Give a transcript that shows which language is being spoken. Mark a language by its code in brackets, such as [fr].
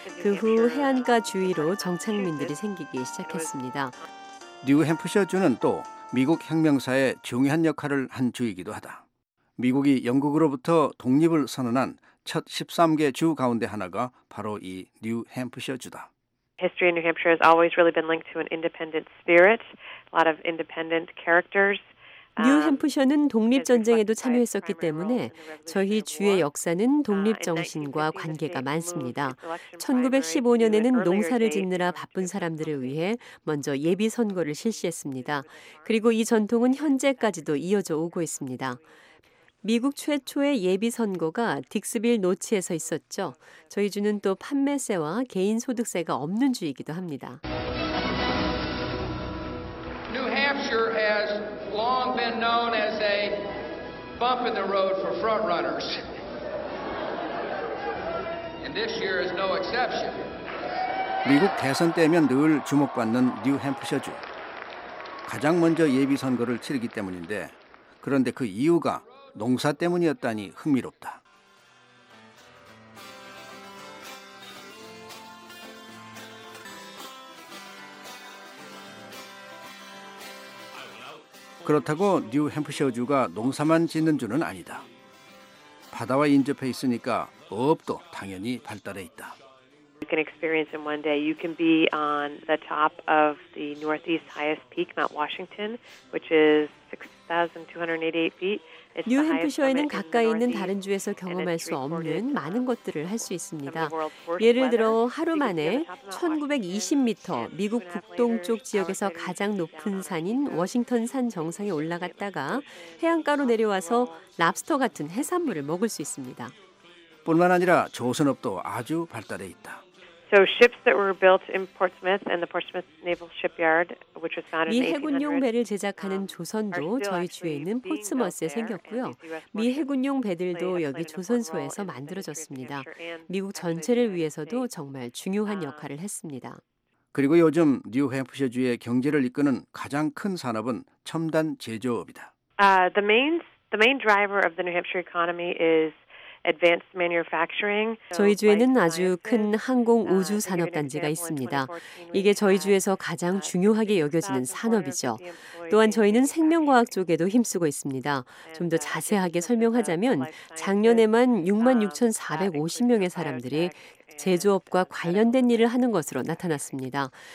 [ko] 그 후 해안가 주위로 정착민들이 생기기 시작했습니다. 뉴햄프셔주는 또 미국 혁명사에 중요한 역할을 한 주이기도 하다. 미국이 영국으로부터 독립을 선언한 첫 13개 주 가운데 하나가 바로 이 뉴햄프셔 주다. [en] History in New Hampshire has always really been linked to an independent spirit, a lot of independent characters. [ko] 뉴햄프셔는 독립전쟁에도 참여했었기 때문에 저희 주의 역사는 독립정신과 관계가 많습니다. 1915년에는 농사를 짓느라 바쁜 사람들을 위해 먼저 예비선거를 실시했습니다. 그리고 이 전통은 현재까지도 이어져 오고 있습니다. 미국 최초의 예비선거가 딕스빌 노치에서 있었죠. 저희 주는 또 판매세와 개인소득세가 없는 주이기도 합니다. [en] New Hampshire has long been known as a bump in the road for front runners. And this year is no exception. [ko] 미국 대선 때면 늘 주목받는 뉴햄프셔 주. 가장 먼저 예비선거를 치르기 때문인데 그런데 그 이유가 농사 때문이었다니 흥미롭다. 그렇다고 뉴햄프셔주가 농사만 짓는 주는 아니다. 바다와 인접해 있으니까 어업도 당연히 발달해 있다. [en] You can experience in one day. You can be on the top of the northeast highest peak, Mount Washington, which is 6,288 feet. [ko] 뉴햄프셔에는 가까이 있는 다른 주에서 경험할 수 없는 많은 것들을 할 수 있습니다. 예를 들어 하루 만에 1920m 미국 북동쪽 지역에서 가장 높은 산인 워싱턴 산 정상에 올라갔다가 해안가로 내려와서 랍스터 같은 해산물을 먹을 수 있습니다. 뿐만 아니라 조선업도 아주 발달해 있다. [en] So ships that were built in Portsmouth and the Portsmouth Naval Shipyard, which was founded in 1800. [ko] 미 해군용 배를 제작하는 조선도 저희 주에 있는 포츠머스에 생겼고요. 미 해군용 배들도 여기 조선소에서 만들어졌습니다. 미국 전체를 위해서도 정말 중요한 역할을 했습니다. 그리고 요즘 뉴햄프셔 주의 경제를 이끄는 가장 큰 산업은 첨단 제조업이다. [en] The main driver of the New Hampshire economy is advanced manufacturing. [ko] 저희 주에는 아주 큰 항공 우주 산업 단지가 있습니다. 이게 저희 주에서 가장 중요하게 여겨지는 산업이죠. 또한 저희는 생명과학 쪽에도 힘쓰고 있습니다. 좀 더 자세하게 설명하자면 작년에만 66,450명의 사람들이 제조업과 관련된 일을 하는 것으로 나타났습니다.